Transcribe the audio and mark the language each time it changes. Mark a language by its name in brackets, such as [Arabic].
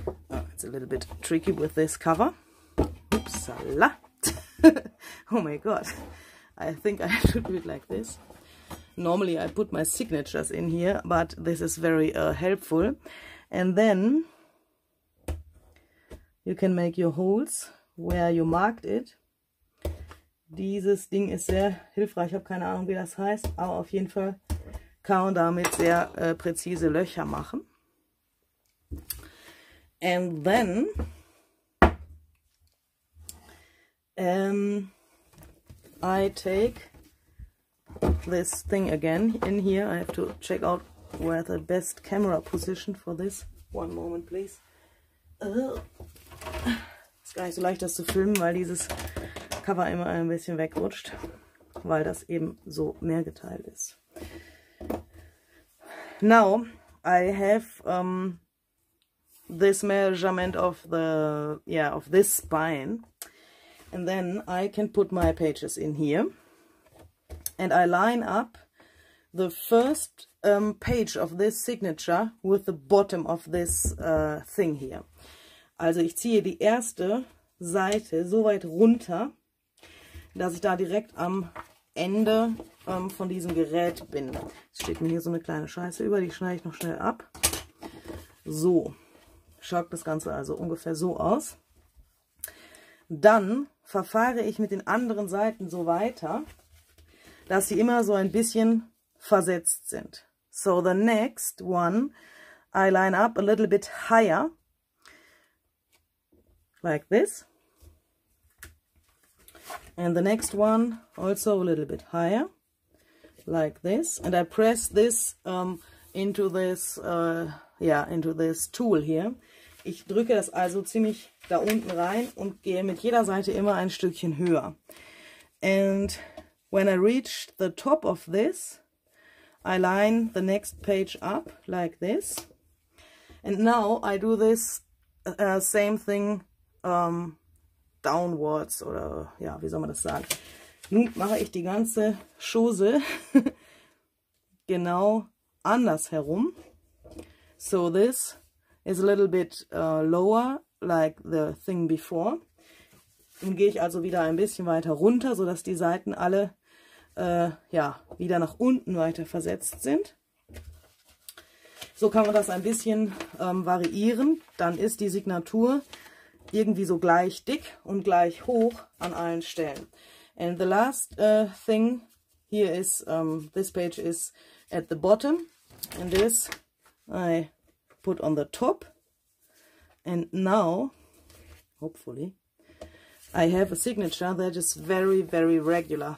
[English] Oh, it's a little bit tricky with this cover. Oopsala. Oh my god. I think I should do it like this. Normally I put my signatures in here, but this is very helpful. And then you can make your holes where you marked it. [German] Dieses Ding ist sehr hilfreich, ich habe keine Ahnung, wie das heißt, aber auf jeden Fall kann man damit sehr präzise Löcher machen. [English] And then I take this thing again in here. I have to check out where the best camera position for this. One moment, please. [German] Ist gar nicht so leicht, das zu filmen, weil dieses Cover immer ein bisschen wegrutscht, weil das eben so mehr geteilt ist. [English] Now, I have this measurement of the, yeah, of this spine. And then I can put my pages in here. And I line up the first page of this signature with the bottom of this thing here. [German] Also ich ziehe die erste Seite so weit runter, dass ich da direkt am Ende von diesem Gerät bin. Es steht mir hier so eine kleine Scheiße über, die schneide ich noch schnell ab. So, schaut das Ganze also ungefähr so aus. Dann verfahre ich mit den anderen Seiten so weiter, dass sie immer so ein bisschen versetzt sind. [English] So, the next one, I line up a little bit higher, like this. And the next one, also a little bit higher, like this. And I press this into this tool here. [German] Ich drücke das also ziemlich da unten rein und gehe mit jeder Seite immer ein Stückchen höher. [English] And when I reach the top of this, I line the next page up like this. And now I do this same thing downwards, [German] oder ja, wie soll man das sagen? Nun mache ich die ganze Chose genau andersherum. [English] So this is a little bit lower, like the thing before. [German] Nun gehe ich also wieder ein bisschen weiter runter, sodass die Seiten alle wieder nach unten weiter versetzt sind. So kann man das ein bisschen variieren. Dann ist die Signatur irgendwie so gleich dick und gleich hoch an allen Stellen. [English] And the last thing here is, this page is at the bottom. And this I put on the top. And now, hopefully, I have a signature that is very, very regular.